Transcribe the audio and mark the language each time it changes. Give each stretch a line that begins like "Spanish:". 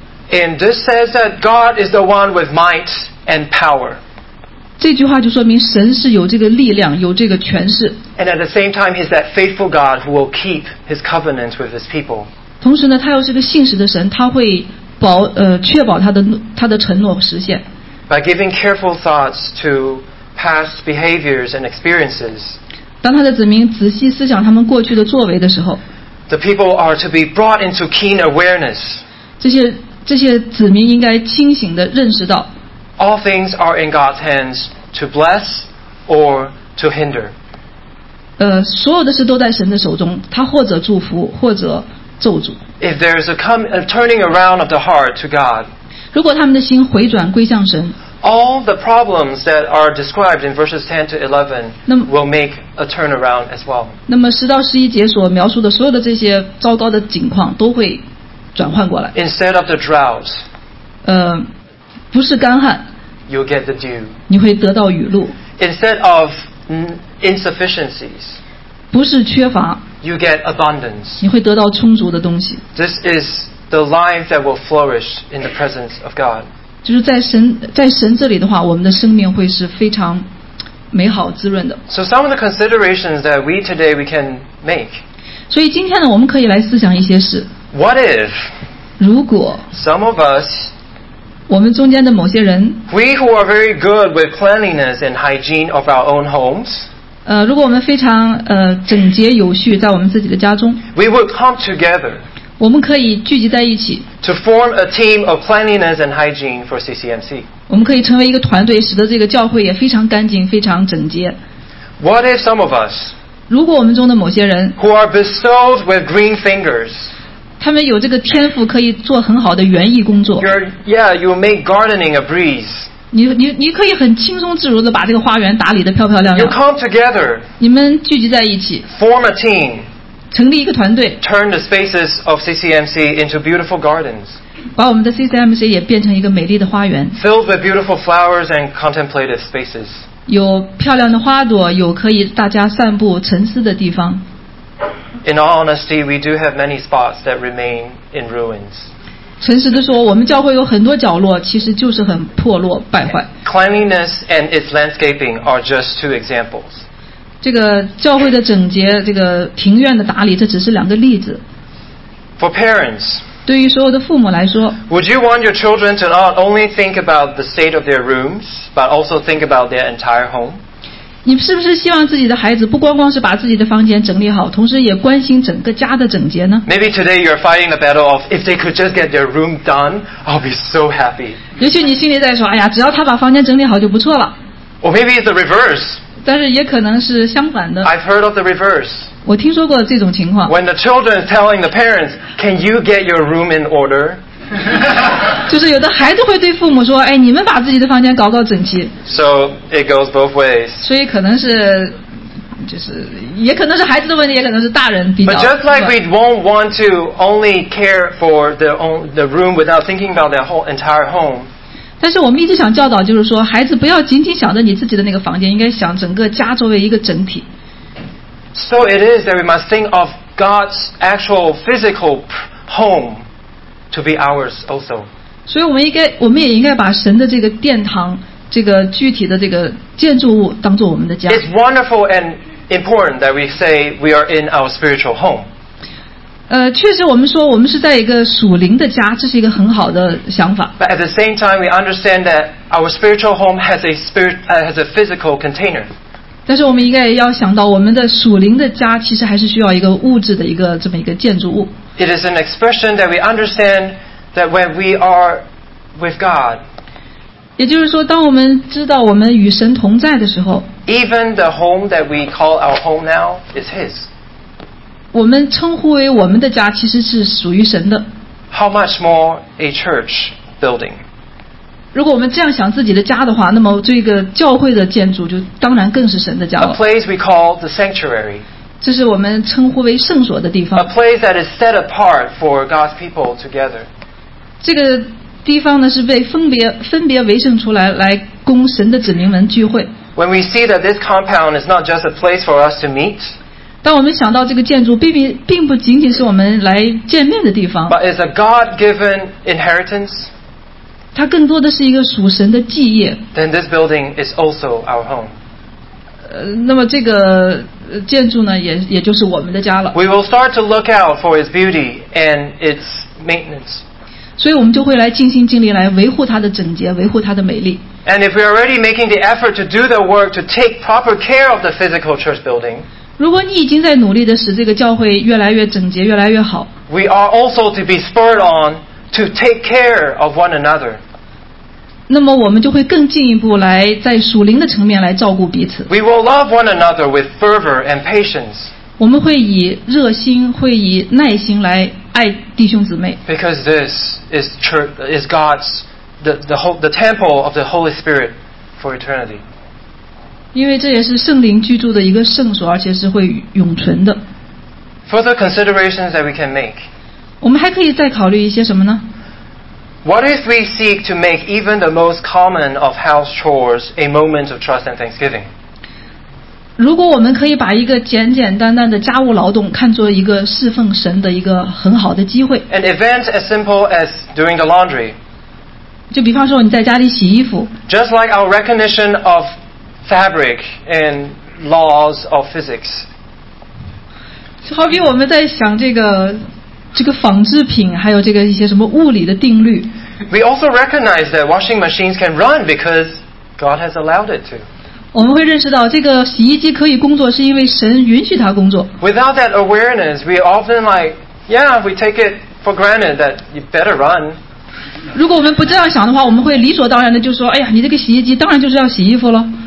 English: And this says that God is the one with might and power.
Chinese: 这句话就说明神是有这个力量，有这个权势。
English: And at the same time, he's that faithful God who will keep his covenant with his people.
Chinese: 同时呢，他又是个信实的神，他会确保他的承诺实现。
English: By giving careful thoughts to past behaviors and experiences,
Chinese: 当他的子民仔细思想他们过去的作为的时候，
English: the people are to be brought into keen awareness.
Chinese: 这些子民应该清醒地认识到，
English: all things are in God's hands to bless or to hinder.
Chinese: 所有的事都在神的手中，他或者祝福，或者
English: If there is a turning around of the heart to God,
Chinese: 如果他们的心回转归向神，
English: all the problems that are described in verses 10 to 11 will make a turnaround as well.
Chinese: 那么十到十一节所描述的所有的这些糟糕的境况都会转换过来。
English: Instead of the droughts,
Chinese: 不是干旱，
English: you'll get the dew.
Chinese: 你会得到雨露。
English: Instead of insufficiencies,
Chinese: 不是缺乏。
English: You get abundance.
Chinese: 你会得到充足的东西。
English: This is the life that will flourish in the presence of God.
Chinese: 就是在神这里的话，我们的生命会是非常美好滋润的。
English: So some of the considerations that we can make.
Chinese: 所以今天呢，我们可以来思想一些事。
English: What if?
Chinese: 如果
English: some of us,
Chinese: 我们中间的某些人
English: we who are very good with cleanliness and hygiene of our own homes.
Chinese: 如果我们非常整洁有序，在我们自己的家中，
English: we would come together，
Chinese: 我们可以聚集在一起，
English: to form a team of cleanliness and hygiene for CCMC，
Chinese: 我们可以成为一个团队，使得这个教会也非常干净，非常整洁。
English: What if some of us，
Chinese: 如果我们中的某些人，
English: who are bestowed with green fingers，
Chinese: 他们有这个天赋，可以做很好的园艺工作。
English: You make gardening a breeze。
Chinese: 你可以很轻松自如地把这个花园打理得漂漂亮亮。
English: You come together,
Chinese: 你们聚集在一起。
English: Form a team,
Chinese: 成立一个团队。
English: Turn the spaces of CCMC into beautiful gardens.
Chinese: 把我们的 CCMC 也变成一个美丽的花园。
English: Filled with beautiful flowers and contemplative spaces.
Chinese: 有漂亮的花朵，有可以大家散步沉思的地方。
English: In all honesty, we do have many spots that remain in ruins.
Chinese: 诚实地说，我们教会有很多角落，其实就是很破落败坏。
English: Cleanliness and its landscaping are just two examples.
Chinese: 这个教会的整洁，这个庭院的打理，这只是两个例子。
English: For parents,
Chinese: 对于所有的父母来说，
English: would you want your children to not only think about the state of their rooms, but also think about their entire home?
Chinese: 你是不是希望自己的孩子不光光是把自己的房间整理好，同时也关心整个家的整洁呢？
English: Maybe today you're fighting the battle of if they could just get their room done, I'll be so happy.
Chinese: 也许你心里在说，哎呀，只要他把房间整理好就不错了。
English: Or maybe it's the reverse.
Chinese: 但是也可能是相反的。
English: I've heard of the reverse.
Chinese: 我听说过这种情况。
English: When the children is telling the parents, can you get your room in order?
Chinese: 就是有的孩子会对父母说，哎，你们把自己的房间搞搞整齐。
English: So it goes both ways.
Chinese: 所以可能是，就是也可能是孩子的问题，也可能是大人比较。
English: But just like we won't want to only care for the room without thinking about their whole entire home.
Chinese: 但是我们一直想教导，就是说孩子不要仅仅想着你自己的那个房间，应该想整个家作为一个整体。
English: So it is that we must think of God's actual physical home. To be ours also.
Chinese: 所以我们也应该把神的这个殿堂，这个具体的这个建筑物当做我们的家。
English: It's wonderful and important that we say we are in our spiritual home.
Chinese: 确实我们说我们是在一个属灵的家，这是一个很好的想法。
English: But at the same time, we understand that our spiritual home has a physical container.
Chinese: 但是我们应该也要想到，我们的属灵的家其实还是需要一个物质的一个这么一个建筑物。
English: It is an expression that we understand that when we are with God.
Chinese: 也就是说，当我们知道我们与神同在的时候
English: ，Even the home that we call our home now is His.
Chinese: 我们称呼为我们的家，其实是属于神的。
English: How much more a church building?
Chinese: 如果我们这样想自己的家的话，那么这个教会的建筑就当然更是神的家了。
English: A place we call the sanctuary.
Chinese: 这是我们称呼为圣所的地方。
English: A place that is set apart for God's people together.
Chinese: 这个地方呢是被分别为圣出来，来供神的子民们聚会。
English: When we see that this compound is not just a place for us to meet.
Chinese: 当我们想到这个建筑并不仅仅是我们来见面的地方。
English: But it's a God-given inheritance.
Chinese: 它更多的是一个属神的基业。
English: Then this building is also our home.
Chinese: 那么这个建筑呢，也就是我们的家了。
English: We will start to look out for its beauty and its maintenance.
Chinese: 所以我们就会来尽心尽力来维护它的整洁，维护它的美丽。
English: And if we are already making the effort to do the work to take proper care of the physical church building,
Chinese: 如果你已经在努力的使这个教会越来越整洁，越来越好。
English: We are also to be spurred on. To take care of one another.
Chinese: 那么我们就会更进一步来在属灵的层面来照顾彼此。
English: We will love one another with fervor and patience.
Chinese: 我们会以热心，会以耐心来爱弟兄姊妹。
English: Because this is church, is God's the temple of the Holy Spirit for eternity.
Chinese: 因为这也是圣灵居住的一个圣所，而且是会永存的。
English: Further considerations that we can make.
Chinese: 我们还可以再考虑一些什么呢？
English: What if we seek to make even the most common of house chores a moment of trust and thanksgiving?
Chinese: 如果我们可以把一个简简单单的家务劳动看作一个侍奉神的一个很好的机会。
English: An event as simple as doing the laundry.
Chinese: 就比方说你在家里洗衣服。
English: Just like our recognition of fabric and laws of physics.
Chinese: 好比我们在想这个纺织品，还有这个一些什么物理的定律。
English: We also recognize that washing machines can run because God has allowed it to.
Chinese: 我们会认识到这个洗衣机可以工作是因为神允许它工作。
English: Without that awareness, we often like, yeah, we take it for granted that you better run.
Chinese: 如果我们不这样想的话，我们会理所当然的就说，哎呀，你这个洗衣机当然就是要洗衣服了。